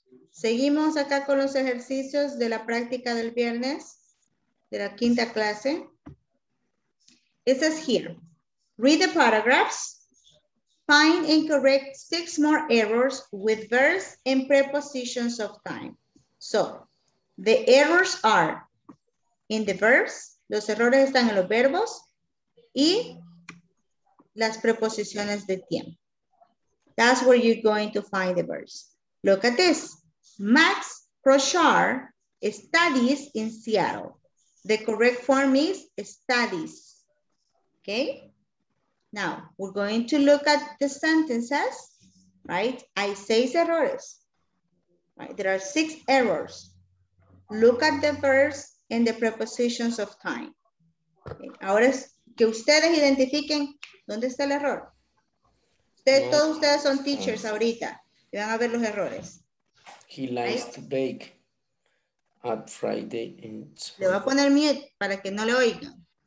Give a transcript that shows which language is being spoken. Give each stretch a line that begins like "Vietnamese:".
Spanish: Seguimos acá con los ejercicios de la práctica del viernes, de la quinta clase.
English: It says here, read the paragraphs, find and correct 6 more errors with verbs and prepositions of time. So, the errors are in the verbs,
Spanish: los errores están en los verbos, y las preposiciones de tiempo.
English: That's where you're going to find the verbs. Look at this. Max Prochar studies in Seattle. The correct form is studies. Okay? Now, we're going to look at the sentences, right?
Spanish: Hay 6 errores.
English: Right? There are 6 errors. Look at the verbs and the prepositions of time. Okay?
Spanish: Ahora es que ustedes identifiquen dónde está el error. Ustedes, todos ustedes son teachers ahorita. Y van a ver los errores.
English: He likes to bake at Friday. And
Spanish: so le voy a poner mute para que no le oigan.